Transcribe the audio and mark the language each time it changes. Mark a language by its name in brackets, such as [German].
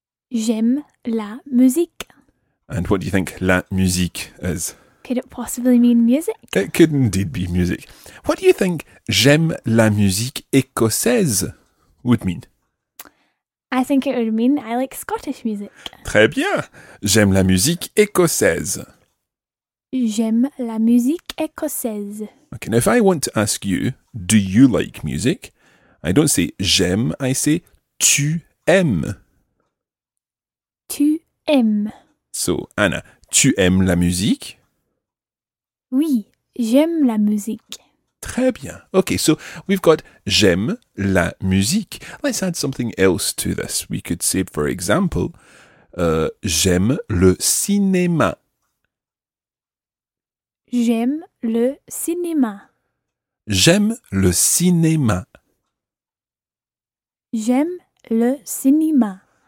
[French] J'aime la musique. [English] And what do you think [French] la musique [English] is? Could it possibly mean music? It could indeed be music. What do you think [French] j'aime la musique écossaise [English] would mean? I think it would mean I like Scottish music. [French] Très bien. J'aime la musique écossaise. J'aime la musique écossaise. [English] Okay, now if I want to ask you, do you like music? I don't say [French] j'aime, [English] I say [French] tu aimes. Tu aimes. So, Anna, tu aimes la musique? Oui, j'aime la musique. Très bien. [English] Okay, so we've got [French] j'aime la musique. [English] Let's add something else to this. We could say, for example, [French] j'aime le cinéma. J'aime le cinéma. J'aime le cinéma. J'aime le cinéma.